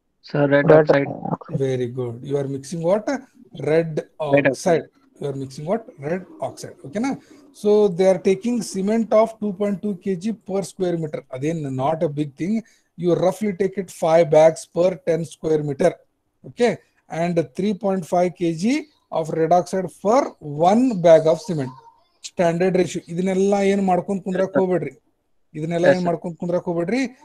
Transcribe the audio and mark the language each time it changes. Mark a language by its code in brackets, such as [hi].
[en] Sir, red oxide. Very good, you are mixing what? Red oxide. You are mixing what? Red oxide. ಓಕೆನಾ? So they are taking cement of 2.2 kg per square metre. [kn] ಅದೇನ್ [en] Not a big thing. You ರಫ್ಲಿ take it 5 bags per 10 square meter. Okay, and 3.5 kg of red oxide for 1 bag of cement. Standard ratio. [kn] ಇದನ್ನೆಲ್ಲ ಏನ್ ಮಾಡ್ಕೊಂಡ್ ಕುಂದ್ರಕ್ ಹೋಗ್ಬೇಡ್ರಿ, ಇದನ್ನೆಲ್ಲ ಏನ್ ಮಾಡ್ಕೊಂಡ್ ಕುಂದ್ರಕ್ ಹೋಗ್ಬೇಡ್ರಿ.